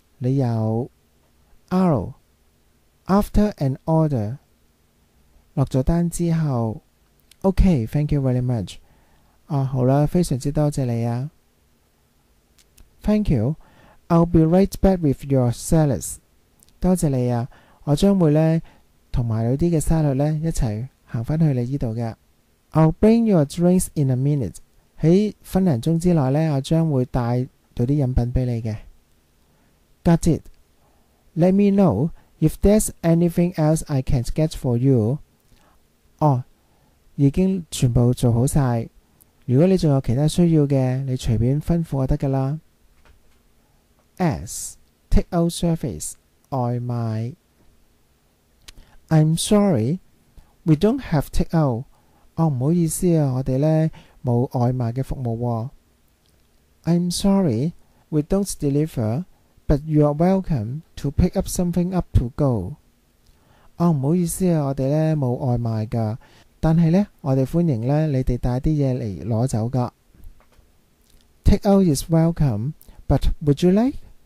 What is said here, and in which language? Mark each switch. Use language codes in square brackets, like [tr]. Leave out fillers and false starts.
[yue] 你有 [en] R after an order [yue] 落咗单之后 [en] OK thank you very much [yue] 啊好啦非常之多谢你啊 [en] Thank you I'll be right back with your salads [yue] 多谢你啊我将会呢同埋有啲嘅沙律呢一起行返去你呢度㗎 [en] I'll bring your drinks in a minute [yue] 在分零钟之内呢我将会带到啲饮品俾你嘅。 [en] Got it. Let me know if there's anything else I can get for you. [yue] 哦已经全部做好晒。如果你仲有其他需要嘅你随便吩咐我得㗎啦。 [en] S, take out service, 外卖。I'm sorry, we don't have take out. [yue] 哦唔好意思啊我哋呢冇外卖嘅服务喎。 [en] I'm sorry, we don't deliver, but you are welcome to pick up something up to go. [yue] 哦唔好意思啊我哋呢冇外卖㗎。但係呢我哋欢迎呢你哋带啲嘢嚟攞走㗎。 [en] Take out is welcome, but would you like?